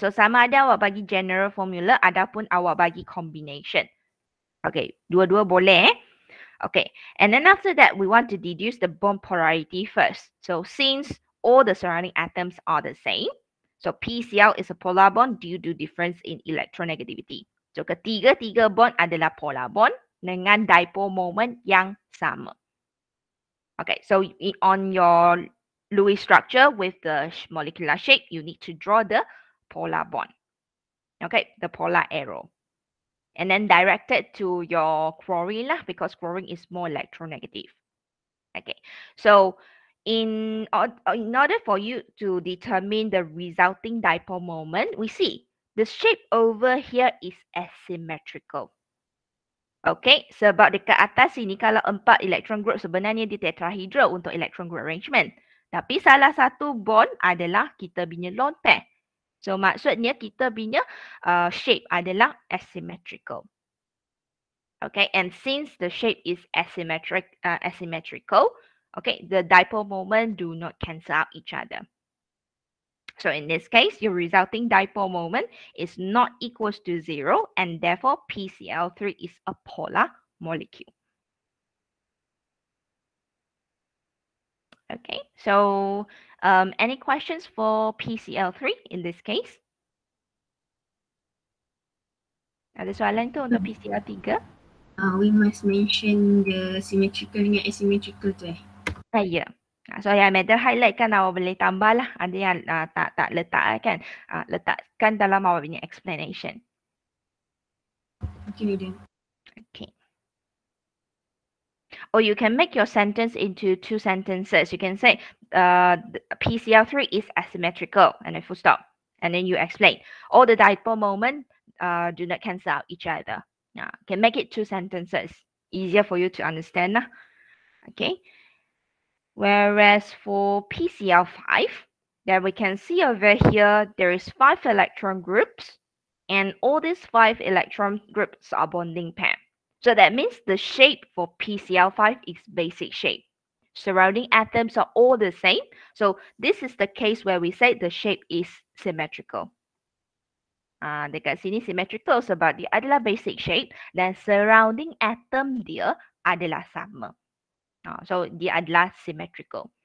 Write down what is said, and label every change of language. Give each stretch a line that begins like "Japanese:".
Malay: So, sama ada awak bagi general formula, ataupun awak bagi combination.
English: Okay,
Malay: dua-dua boleh.
English: Okay, and then after that, we want to deduce the bond polarity first. So since all the surrounding atoms are the same, so PCl is a polar bond due to difference in electronegativity.
Malay: So ketiga-tiga bond adalah polar bond dengan dipole moment yang sama.
English: Okay, so on your Lewis structure with the molecular shape, you need to draw the polar bond. Okay, the polar arrow. And then direct it to your chlorine lah, because chlorine is more electronegative. Okay, so in order for you to determine the resulting dipole moment, we see the shape over here is asymmetrical.
Malay: Okay, sebab dekat atas sini kalau 4 electron group sebenarnya di tetrahedral untuk electron group arrangement. Tapi salah satu bond adalah kita punya lone pair. So maksudnya kita punya shape adalah asymmetrical.
English: Okay, and since the shape is asymmetrical, okay, the dipole moment do not cancel out each other. So in this case, your resulting dipole moment is not equals to 0, and therefore PCl3 is a polar molecule. Okay, so any questions for PCl3 in this case?
Malay: Ada soalan tu untuk PCl3?
English: We must mention the symmetrical
Malay: dengan
English: asymmetrical
Malay: tu eh.
English: Yeah.
Malay: So yang Madam highlight kan awak boleh tambah lah. Ada yang tak letak kan. Letakkan dalam awak punya explanation.
English: Okay, Madam. Or you can make your sentence into 2 sentences. You can say PCl3 is asymmetrical, and then full stop. And then you explain all the dipole moment do not cancel out each other. Yeah, can make it 2 sentences, easier for you to understand. Nah. Okay. Whereas for PCl5, then we can see over here there is 5 electron groups, and all these 5 electron groups are bonding pair. So that means the shape for PCl5 is basic shape. Surrounding atoms are all the same. So this is the case where we say the shape is symmetrical.
Malay: Dekat sini symmetrical sebab dia adalah basic shape. Dan surrounding atom dia adalah sama. So dia adalah symmetrical.